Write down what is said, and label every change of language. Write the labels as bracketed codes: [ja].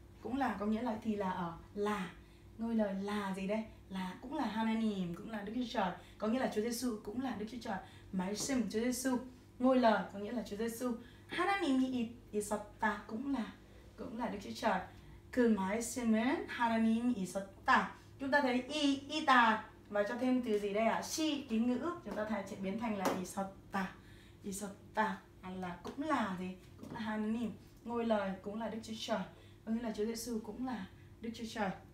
[vi] Cũng là, có nghĩa là thì là ở, là. Ngôi lời là gì đây? Là cũng là 하나님, cũng là Đức Chúa Trời, có nghĩa là Chúa Giêsu cũng là Đức Chúa Trời. 말씀 Chúa Giêsu, ngôi lời có nghĩa là Chúa Giêsu. [ko] 하나님이 있었다 [vi] cũng là Đức Chúa Trời. [ko] 그 말씀은 하나님이 있었다. [vi] Chúng ta thấy ita và cho thêm từ gì đây ạ? Si tín ngữ, chúng ta thay chuyển biến thành là 있었다. 있었다 là cũng là gì? Cũng là 하나님, ngôi lời cũng là Đức Chúa Trời, có nghĩa là Chúa Giêsu cũng là Đức Chúa Trời.